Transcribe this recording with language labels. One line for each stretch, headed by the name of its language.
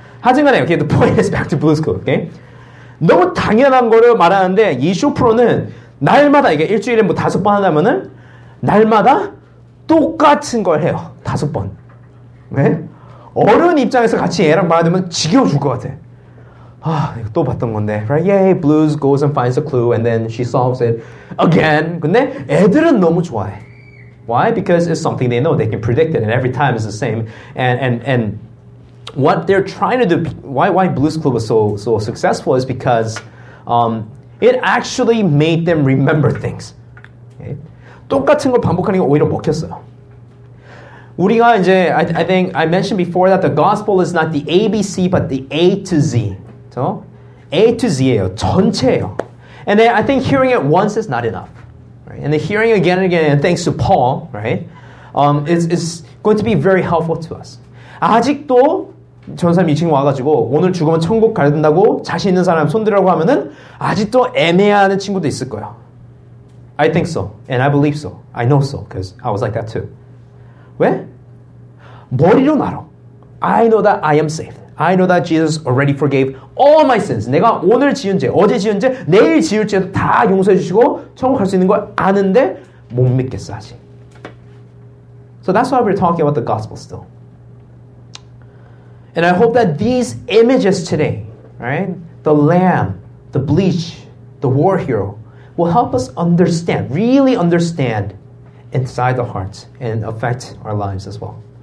English: 하지만에, okay, the point is back to Blue's Clues. Okay?
Korean: 너무 당연한 거를 말하는데, 이 쇼프로는 날마다, 이게 일주일에 뭐 다섯 번 한다면은, 날마다 똑같은 걸 해요. 다섯 번. 네? 어른 입장에서 같이 얘랑 말하면 지겨워 줄 것 같아. 아, 이거 또 봤던 건데. Right?
English: Yay, Blues goes and finds a clue and then she solves it again.
Korean: 근데 애들은 너무 좋아해.
English: Why? Because it's something they know. They can predict it and every time it's the same. And what they're trying to do, why Blues Clue was so successful is because it actually made them remember things. Okay?
Korean: 똑같은 걸 반복하는 게 오히려 먹혔어요. 우리가 이제,
English: I think I mentioned before that the gospel is not the ABC but the A to Z. So, A to Z
Korean: 예요. 전체예요.
English: And then I think hearing it once is not enough. Right? And then hearing again and again, and thanks to Paul, right, is going to be very helpful to us.
Korean: 아직도 저 사람이 지금 와가지고 오늘 죽으면 천국 가야 된다고 자신 있는 사람 손들라고 하면은 아직도 애매하는 친구도 있을 거예요.
English: I think so. And I believe so. I know so. Because I was like that too.
Korean: 왜? 머리로는 알아.
English: I know that I am saved. I know that Jesus already forgave all my sins.
Korean: 내가 오늘 지은 죄, 어제 지은 죄, 내일 지을 죄도 다 용서해 주시고 천국 갈 수 있는 걸 아는데 못 믿겠어, 아직.
English: So that's why we're talking about the gospel still. And I hope that these images today, right, the lamb, the bleach, the war hero, will help us understand, really understand inside the heart and affect our lives as well.